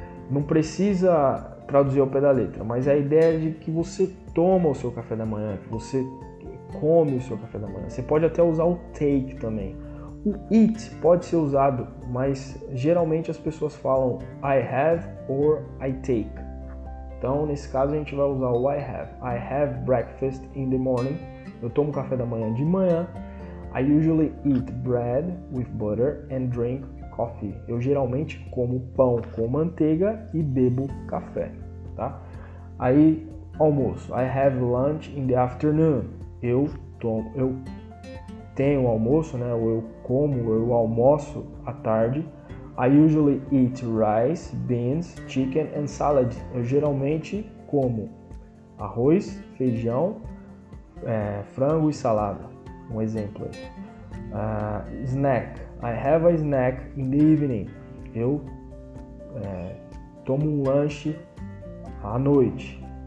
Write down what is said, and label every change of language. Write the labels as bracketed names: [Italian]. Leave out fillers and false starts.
[Portuguese] Não precisa traduzir ao pé da letra, mas a ideia é de que você toma o seu café da manhã, que você come o seu café da manhã. Você pode até usar o take também. O eat pode ser usado, mas geralmente as pessoas falam I have or I take. Então, nesse caso, a gente vai usar o I have. [English] I have breakfast in the morning. [Portuguese] Eu tomo café da manhã de manhã. [English] I usually eat bread with butter and drink coffee. [Portuguese] Eu geralmente como pão com manteiga e bebo café, tá? Aí, almoço. [English] I have lunch in the afternoon. [Portuguese] Eu tenho almoço, né? Ou eu como, ou eu almoço à tarde. [English] I usually eat rice, beans, chicken and salad. [Portuguese] Eu geralmente como arroz, feijão, frango e salada. Um exemplo aí. [English] Snack. I have a snack in the evening. [Portuguese] Eu tomo um lanche à noite.